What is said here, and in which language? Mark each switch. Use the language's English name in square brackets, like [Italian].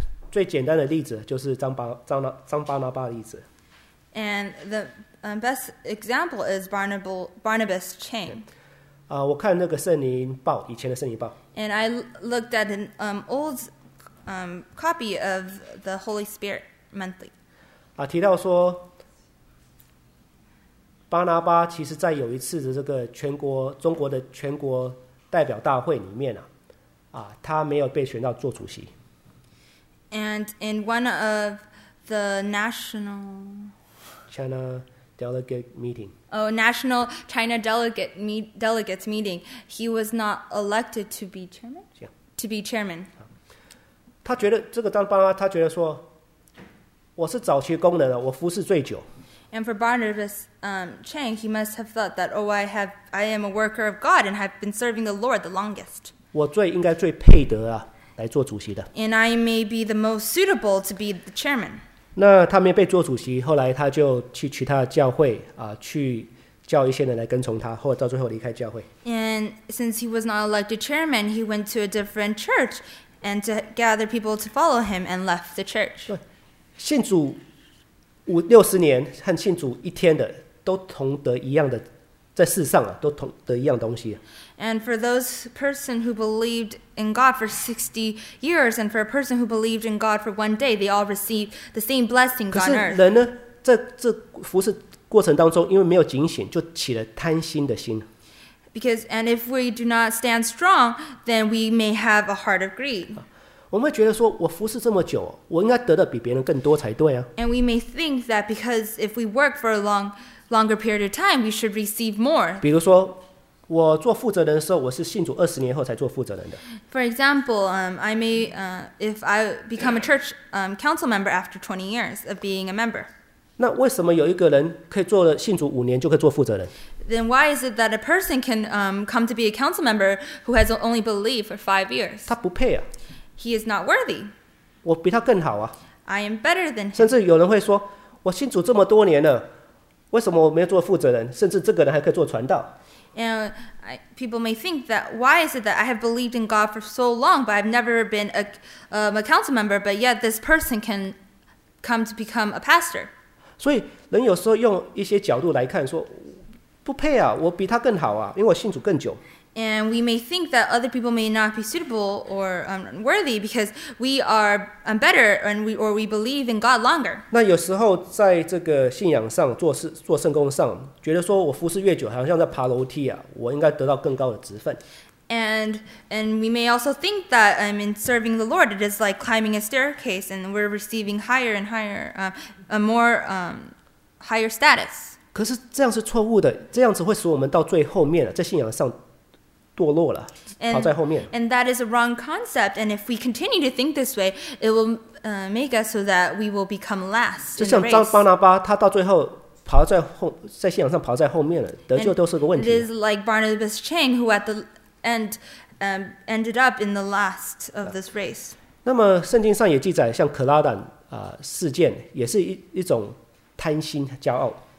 [Chinese] 最简单的例子就是张巴拿巴的例子。 [English] And the best example is Barnabas' chain. [Chinese] 我看那个圣灵报，以前的圣灵报。 [English] And I looked at an old copy of the Holy Spirit monthly. [Chinese] 提到说，巴拿巴其实在有一次的这个中国的全国代表大会里面他没有被选到做主席。 [English] And in one of the national... China delegate meeting. Oh, national China delegate delegates meeting. He was not elected to be chairman. Yeah. To be chairman. [Chinese] 他觉得这个当巴拿巴，他觉得说，我是早期工人了，我服侍最久。 [English] And for Barnabas, Chang, he must have thought that, oh, I am a worker of God and have been serving the Lord the longest. [Chinese] 我最应该最配得啊，来做主席的。 [English] And I may be the most suitable to be the chairman. [Chinese] 那他没被做主席，后来他就去其他的教会去叫一些人来跟从他，或者到最后离开教会。 [English] And since he was not elected chairman, he went to a different church and to gather people to follow him and left the church. [Chinese] 信主五六十年和信主一天的都同得一样的，在世上都同得一样东西。 [English] And for those person who believed in God for 60 years, and for a person who believed in God for one day, they all received the same blessing on earth. [Chinese] 可是人呢，在这服侍过程当中，因为没有警醒，就起了贪心的心。 [English] Because and if we do not stand strong, then we may have a heart of greed. [Chinese] 我们会觉得说，我服侍这么久，我应该得的比别人更多才对啊。 [English] And we may think that because if we work for a longer period of time, we should receive more. [Chinese] 比如说。我做负责人的时候，我是信主二十年后才做负责人的。 [English] For example, I may if I become a church council member after 20 years of being a member. [Chinese] 那为什么有一个人可以做了信主五年就可以做负责人 [English] ？Then why is it that a person can come to be a council member who has only believed for 5 years? [Chinese] 他不配啊。 [English] He is not worthy. [Chinese] 我比他更好啊。 [English] I am better than him. [Chinese] 甚至有人会说，我信主这么多年了，为什么我没有做负责人？甚至这个人还可以做传道。 [English] And people may think that why is it that I have believed in God for so long, but I've never been a council member, but yet this person can come to become a pastor. [Chinese] 所以人有时候用一些角度来看，说不配啊，我比他更好啊，因为我信主更久。 [English] And we may think that other people may not be suitable or worthy because we are better and we believe in God longer. [Chinese] 那有时候在这个信仰上做圣工上，觉得说我服侍越久，好像在爬楼梯啊，我应该得到更高的职分。 [English] And we may also think that in serving the Lord, it is like climbing a staircase, and we're receiving higher and higher, higher status. [Chinese] 可是这样是错误的，这样子会使我们到最后面在信仰上堕落了，跑在后面。 [English] And that is a wrong concept. And if we continue to think this way, it will make us so that we will become last. [Chinese] 就像张巴拿巴，他到最后。跑在后，在信仰上跑在后面了，得救都是个问题。 [English] It is like Barnabas Chang, who at the end ended up in the last of this race. [Chinese] 那么圣经上也记载，像可拉胆事件，也是一种贪心、骄傲。